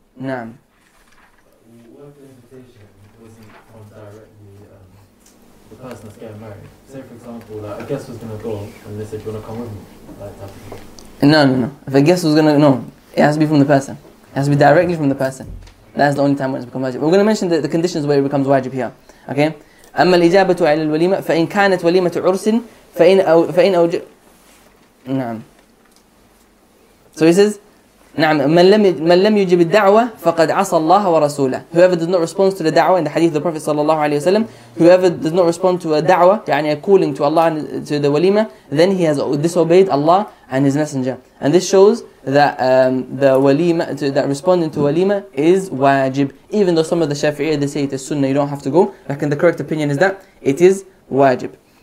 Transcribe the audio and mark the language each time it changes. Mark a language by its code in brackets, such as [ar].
[en] What if the invitation wasn't from directly the person that's getting married? Say, for example, like, a guest was going to go and they said, do you want to come with me? No. If a guest was going to, no. It has to be from the person. It has to be directly from the person. That's the only time when it's become wajib. We're going to mention the conditions where it becomes wajib here. Okay? [ar] أما الإجابة على الوليمة فإن كانت وليمة عرس فإن أوج نعم. [en] So he says, [ar] نعم من لم يجب الدعوة فقد عصى الله ورسوله. [en] Whoever does not respond to the da'wah in the hadith of the Prophet صلى الله عليه وسلم, whoever does not respond to a da'wah, يعني a calling to Allah and to the walima, then he has disobeyed Allah and His Messenger. And this shows that the walima, that responding to walima is wajib. Even though some of the Shafi'i, they say it is sunnah, you don't have to go. Like, in the correct opinion is that it is wajib.